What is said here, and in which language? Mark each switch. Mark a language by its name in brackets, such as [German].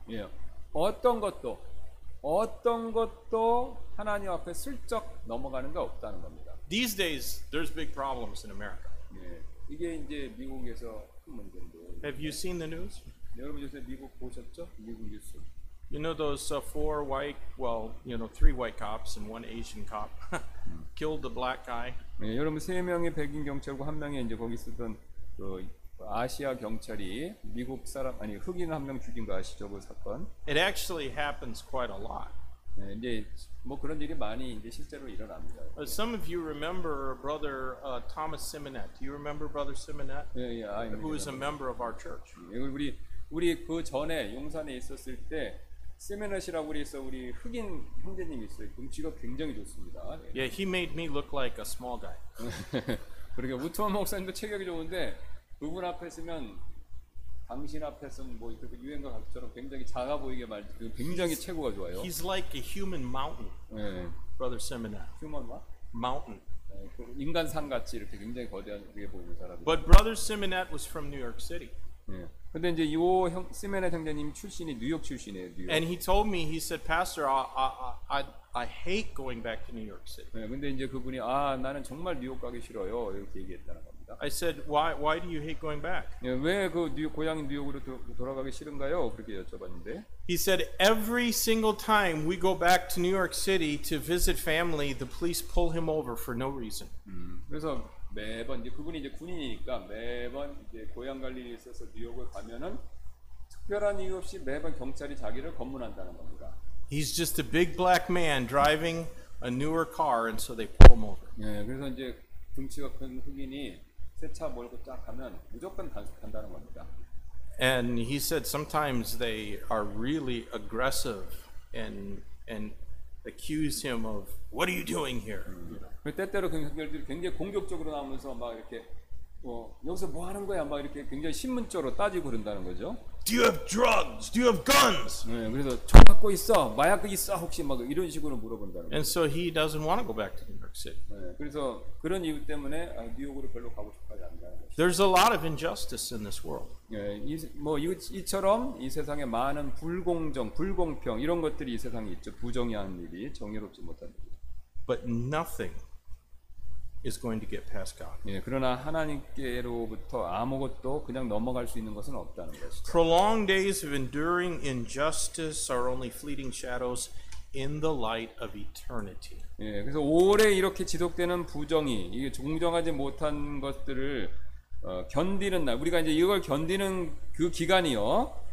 [Korean] 예, 어떤 것도, 어떤 것도 하나님 앞에 슬쩍 넘어가는 게 없다는 겁니다. [English] These days, there's big problems in America. [Korean] 네, 이게 이제 미국에서 큰 문제인데. [English] Have you seen the news? [Korean] 네, 여러분 요새 미국 보셨죠? 미국 뉴스. [English] You know those four white, well, you know, three white cops and one Asian cop killed the black guy. [Korean] 네, 여러분 세 명의 백인 경찰과 한 명의 이제 거기 쓰던 그 아시아 경찰이 미국 사람 아니 흑인 한 명 죽인 거 아시죠 그 사건? [English] It actually happens quite a lot. [Korean] 네, 이제 뭐 그런 일이 많이 이제 실제로 일어납니다. [English] Some of you remember Brother Thomas Simonette. Do you remember Brother Simonette? Yeah, yeah. Who remember. Is a member of our church? [Korean] 우리 그 전에 용산에 있었을 때 시메넷이라고 해서 우리 흑인 형제님 있어요. 등치가 굉장히 좋습니다. [English] Yeah, he made me look like a small guy. [Korean] 그러게 우토만 목사님도 체격이 좋은데 그분 앞에 서면. 당신 앞에서는 뭐 이렇게 유행가 같처럼 굉장히 작아 보이게 말 굉장히 체구가 좋아요. [English] He's like a human mountain, 네. Brother Simonette. Human what? Mountain. 네, [Korean] 인간 산 같이 이렇게 굉장히 거대한 게 보이는 사람. [English] But Brother Simonette was from New York City. [Korean] 네. 근데 이제 요 형 시메넷 형제님 출신이 뉴욕 출신이에요. 뉴욕. [English] And he told me, he said, Pastor, I hate going back to New York City. [Korean] 네, 근데 이제 그분이 아 나는 정말 뉴욕 가기 싫어요 이렇게 얘기했다는 겁니다. [English] I said, why do you hate going back? [Korean] 예, 왜 그 뉴욕, 고향인 뉴욕으로 돌아가기 싫은가요? 그렇게 여쭤봤는데. [English] He said, every single time we go back to New York City to visit family, the police pull him over for no reason. [Korean] 그래서 매번 이제 그분이 이제 군인이니까 매번 이제 고향 갈 일이 있어서 뉴욕을 가면은 특별한 이유 없이 매번 경찰이 자기를 검문한다는 겁니다. [English] He's just a big black man driving a newer car, and so they pull him over. [Korean] 예, 그래서 이제 등치가 큰 흑인이 세차 몰고 딱 가면 무조건 단속한다는 겁니다. [English] And he said sometimes they are really aggressive and accuse him of what are you doing here? [Korean] 때때로 경찰들이 굉장히 공격적으로 나오면서 막 이렇게 뭐 여기서 뭐 하는 거야 막 이렇게 굉장히 신문적으로 따지고 그런다는 거죠. [English] Do you have drugs? Do you have guns? [Korean] 네, 그래서 총 갖고 있어? 마약 있어? 혹시 막 이런 식으로 물어본다는 [English] And [Korean] 거예요. [English] so he doesn't want to go back to New York City. [Korean] 네, 그래서 그런 이유 때문에 뉴욕으로 별로 가고 싶지 않다는 거죠. [English] There's a lot of injustice in this world. [Korean] 네, 이처럼 이 세상에 많은 불공정, 불공평 이런 것들이 이 세상에 있죠. 부정의한 일이 정의롭지 못한 일이. [English] But nothing is going to get past God. [Korean] 예, 그러나 하나님께로부터 아무것도 그냥 넘어갈 수 있는 것은 없다는 것이죠. [English] Prolonged days of enduring injustice are only fleeting shadows in the light of eternity. [Korean] 예, 그래서 오래 이렇게 지속되는 부정이 이게 공정하지 못한 것들을 견디는 날 우리가 이제 이걸 견디는 그 기간이요.